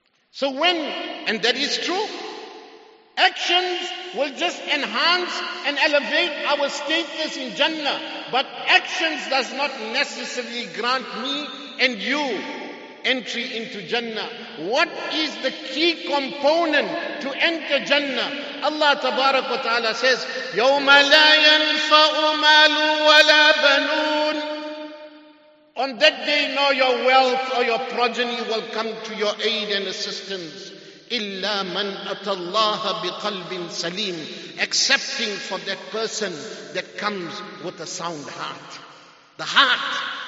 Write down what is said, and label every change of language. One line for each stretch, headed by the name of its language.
English: So when, and that is true, actions will just enhance and elevate our status in Jannah, but actions does not necessarily grant me and you entry into Jannah. What is the key component to enter Jannah? Allah tabarak wa ta'ala says,
Arabic: يَوْمَ لَا يَنْفَعُ مَالٌ وَلَا بَنُونَ.
English: On that day, no, your wealth or your progeny will come to your aid and assistance.
Arabic: إِلَّا مَنْ أَتَى اللَّهَ بِقَلْبٍ سَلِيمٍ.
English: Accepting for that person that comes with a sound heart. The heart.